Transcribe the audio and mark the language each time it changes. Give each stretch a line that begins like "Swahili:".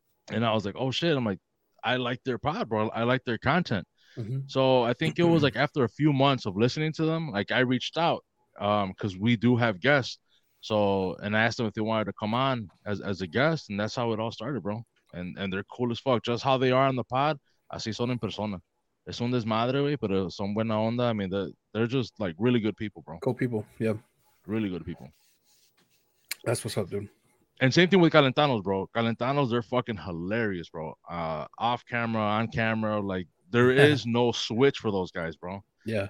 English: And I was like, oh, shit. I'm like, I like their pod, bro. I like their content. Mm-hmm. So I think it was like after a few months of listening to them, like I reached out because we do have guests. So, and I asked them if they wanted to come on as a guest, and that's how it all started, bro. And they're cool as fuck. Just how they are on the pod,
Spanish: así son en persona. Es un desmadre, güey, pero son buena onda.
English: I mean, they're just, like, really good people, bro. Cool people, yeah. Really good people. That's what's up, dude. And same thing with Calentanos, bro. Calentanos, they're fucking hilarious, bro. Off camera, on camera, like, there is no switch for those guys, bro. Yeah.